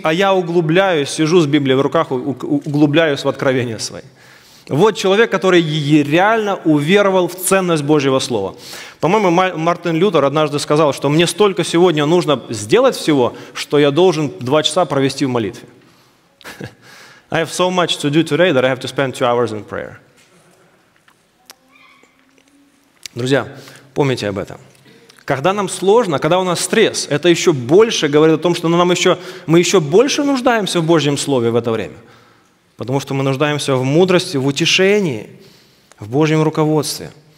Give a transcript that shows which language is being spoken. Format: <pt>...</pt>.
<ru>А я углубляюсь, сижу с Библией в руках, углубляюсь в откровения свои. Вот человек, который реально уверовал в ценность Божьего Слова. По-моему, Мартин Лютер однажды сказал, что мне столько сегодня нужно сделать всего, что я должен 2 часа провести в молитве.</ru> <en>I have so much to do today that I have to spend 2 hours in prayer.</en> <ru>Друзья, помните об этом. Когда нам сложно, когда у нас стресс, это еще больше говорит о том, что мы еще больше нуждаемся в Божьем Слове в это время. Потому что мы нуждаемся в мудрости, в утешении, в Божьем руководстве.</ru>